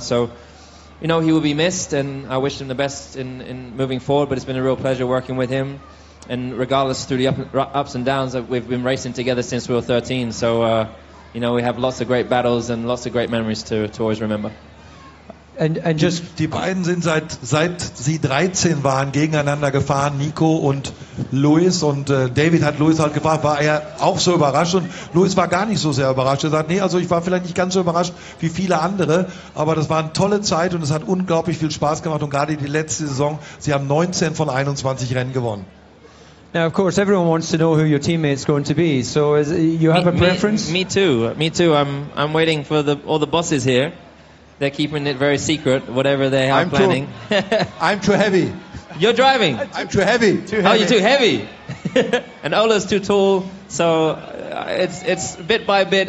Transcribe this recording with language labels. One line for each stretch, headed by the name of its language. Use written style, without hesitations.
English: So, you know, he will be missed, and I wish him the best in moving forward, but it's been a real pleasure working with him. And regardless through the ups and downs, we've been racing together since we were 13. So, you know, we have lots of great battles and lots of great memories to always remember. And just
German: die beiden sind seit sie 13 waren gegeneinander gefahren, Nico und Louis. Und David hat Louis halt gefragt, war er auch so überrascht? Und Louis war gar nicht so sehr überrascht. Er sagt, nee, also ich war vielleicht nicht ganz so überrascht wie viele andere, aber das war eine tolle Zeit und es hat unglaublich viel Spaß gemacht. Und gerade die letzte Saison, sie haben 19 von 21 Rennen gewonnen.
English: Now, of course, everyone wants to know who your teammate's going to be. So, do you have a preference? Me too. I'm waiting for all the bosses here. They're keeping it very secret, whatever they are planning. I'm too heavy. You're driving. I'm too heavy. Oh, you're too heavy. And Ola's too tall. So, it's bit by bit.